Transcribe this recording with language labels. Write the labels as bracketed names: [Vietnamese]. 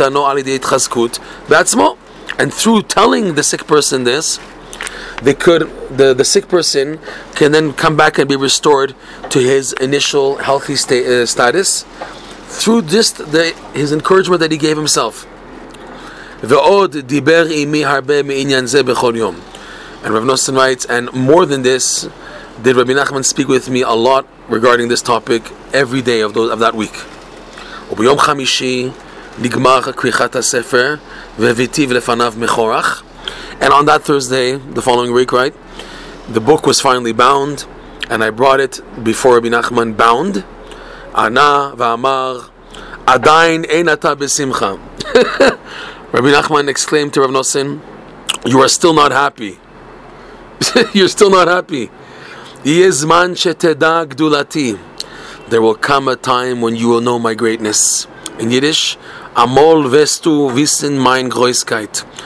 [English] And through telling the sick person this, the sick person can then come back and be restored to his initial healthy status through just his encouragement that he gave himself. And Rav Nosson writes, and more than this, did Rabbi Nachman speak with me a lot regarding this topic every day of that week. [Hebrew] וביום חמישי נגמר קריחת הספר והביטיב לפניו מכורח. [English] And on that Thursday, the following week, right, the book was finally bound, and I brought it before Rabbi Nachman bound. [Hebrew] ענה ואמר, עדיין אין אתה בשמחה. [English] Rabbi Nachman exclaimed to Rav Nosson, you are still not happy. You're still not happy. [Hebrew] יהיה זמן שתדע גדולתי. [English] There will come a time when you will know my greatness. In Yiddish, [Yiddish] Amol vestu wissen mein Groeskeit.